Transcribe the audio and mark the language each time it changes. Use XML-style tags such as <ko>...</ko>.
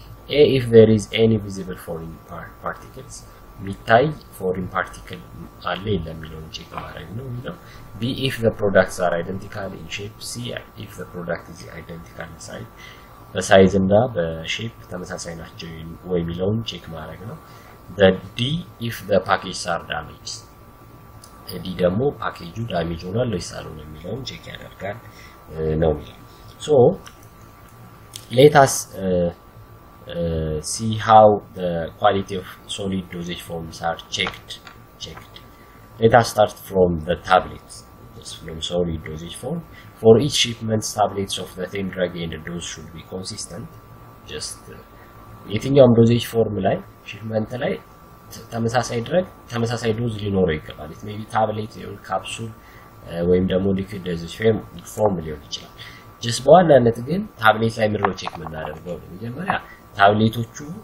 <en>ኤ if there is any visible foreign particles,</en> <am>ሚታይ ፎሪን ፓርቲክል አለ የለም ቼክ ማድረግ ነው የሚለው።</am> <en>ቢ ኢፍ ዘ ፕሮዳክትስ አር አይደንቲካል ኢን ሼፕ፣ ሲ ኢፍ ዘ ፕሮዳክት ኢዝ አይደንቲካል ኢን ሳይዝ፣</en> <am>በሳይዝ እና በሼፕ ተመሳሳይ ናቸው ወይ የሚለውን ቼክ ማድረግ ነው።</am> <en>ዲ ኢፍ ዘ ፓኬጅ አር ዳሜጅ፣</en> <am>ዲ ደግሞ ፓኬጁ ዳሜጅ ሆኗል ወይስ አልሆነም የሚለውን ቼክ ያደርጋል ነው የሚለው።</am> <en>ሶ ሌታስ see how the quality of solid dosage forms are checked. Let us start from the tablets, just from solid dosage form. For each shipment, tablets of the same drug and the dose should be consistent.</en> <am>Just የትኛውም dosage form ላይ shipment ላይ ተመሳሳይ drug ተመሳሳይ dose ሊኖረው ይገባል።</am> <en>it may be tablet or capsule</en> <am>ወይም ደግሞ liquid dosage form ሊሆን ይችላል። just በዋናነት ግን ታብሌት ላይ ምንድን ነው ቼክ የምናደርገው? መጀመሪያ ታብሌቶቹ</am>